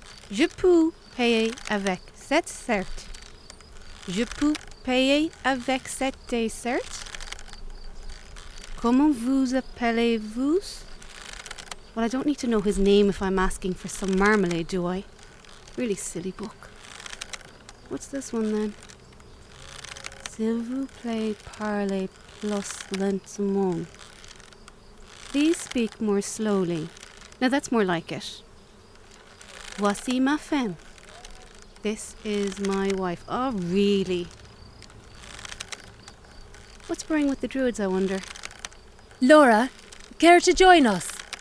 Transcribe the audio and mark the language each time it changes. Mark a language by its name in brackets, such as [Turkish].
[French] Je peux payer avec cette carte. Je peux payer avec cette carte. Comment vous appelez-vous? [English] Well, I don't need to know his name if I'm asking for some marmalade, do I? Really silly book. What's this one then? [French] S'il vous plaît, parlez plus lentement. [English] Please speak more slowly. Now that's more like it. [French] Voici ma femme. [English] This is my wife. Oh, really? What's brewing with the druids, I wonder? Laura, care to join us?